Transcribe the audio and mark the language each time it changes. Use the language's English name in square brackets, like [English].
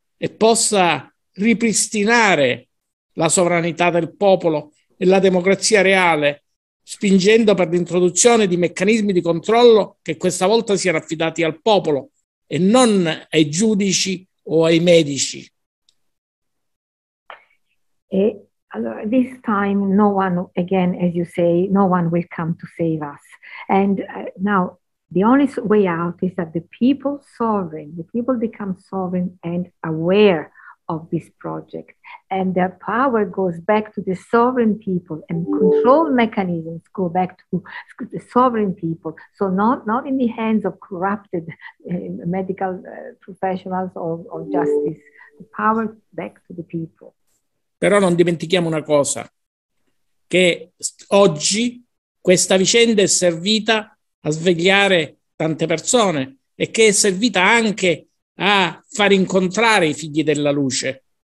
[Italian] e possa ripristinare la sovranità del popolo e la democrazia reale, spingendo per l'introduzione di meccanismi di controllo che questa volta siano affidati al popolo e non ai giudici o ai medici. E allora, [English] this time no one, again, as you say, no one will come to save us. And now the only way out is that the people become sovereign and aware of this project, and their power goes back to the sovereign people, and control mechanisms go back to the sovereign people. So not in the hands of corrupted medical professionals or justice. The power back to the people. [Italian] Però non dimentichiamo una cosa, che oggi questa vicenda è servita a svegliare tante persone e che è servita anche a far incontrare i figli della luce.